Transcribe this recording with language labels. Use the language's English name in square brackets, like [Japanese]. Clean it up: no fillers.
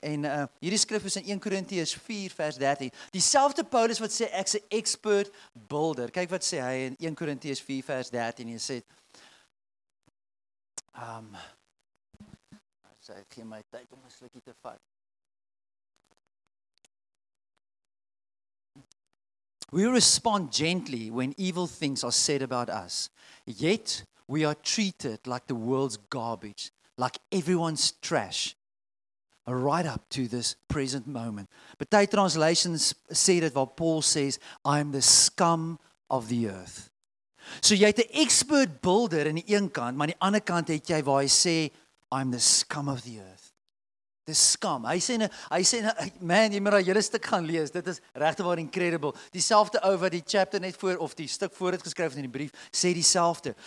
[Afrikaans] En hierdie skrif is in 1 Korintiërs 4 vers 13. Dieselfde Paulus wat sê, ek is 'n expert builder. Kyk wat sê hy in 1 Korintiërs 4 vers 13, hy sê, sê ek gee my tyd om 'n slukkie te vat. [English] We respond gently when evil things are said about us. Yet, we are treated like the world's garbage, like everyone's trash, right up to this present moment. But the translations say that what Paul says, I am the scum of the earth. [Afrikaans] So jy het 'n expert builder in die een kant, maar die ander kant het jy waar hy sê, [English] I am the scum of the earth. [Afrikaans] Dis skam. Hy sê, man, jy moet daai hele stuk gaan lees. Dit is regtewaar incredible. Dieselfde ou wat die chapter net voor of die stuk voor het geskryf in die brief, sê dieselfde.